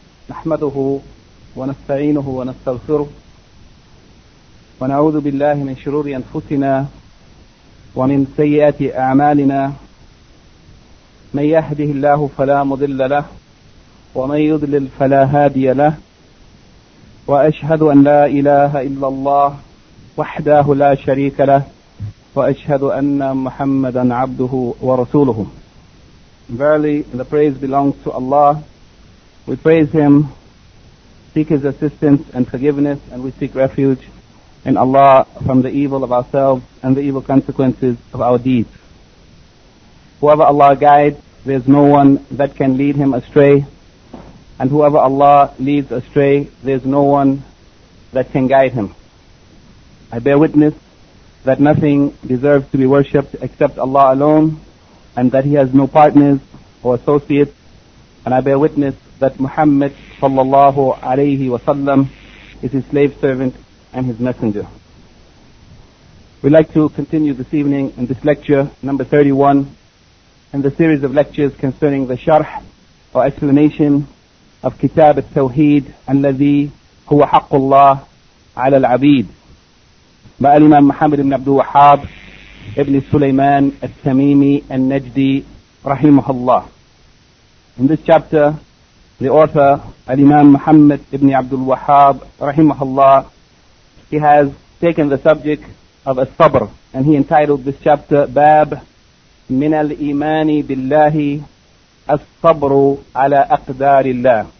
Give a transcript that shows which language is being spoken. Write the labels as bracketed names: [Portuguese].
[Arabic] نحمده ونستعينه ونستغفره ونعوذ بالله من شرور أنفسنا ومن سيئات أعمالنا، من يهده الله فلا مضل له ومن يضلل فلا هادي له، وأشهد أن لا إله إلا الله وحده لا شريك له، وأشهد أن محمدا عبده ورسوله. [English] Verily, the praise belongs to Allah. We praise Him, seek His assistance and forgiveness, and we seek refuge in Allah from the evil of ourselves and the evil consequences of our deeds. Whoever Allah guides, there is no one that can lead him astray. And whoever Allah leads astray, there is no one that can guide him. I bear witness that nothing deserves to be worshipped except Allah alone, and that He has no partners or associates. And I bear witness that Muhammad sallallahu alayhi wa sallam is His slave servant and His messenger. We'd like to continue this evening in this lecture, number 31, in the series of lectures concerning the sharh, or explanation, of Kitab al-Tawheed, [Arabic] الذي هو حق الله على العبيد. بالإمام محمد بن عبد الوهاب ابن سليمان التميمي النجدي رحمه الله. [English] In this chapter, the author, [Arabic] الإمام محمد بن عبد الوهاب رحمه الله, [English] he has taken the subject of الصبر, and he entitled this chapter [Arabic] باب من الإيمان بالله الصبر على أقدار الله.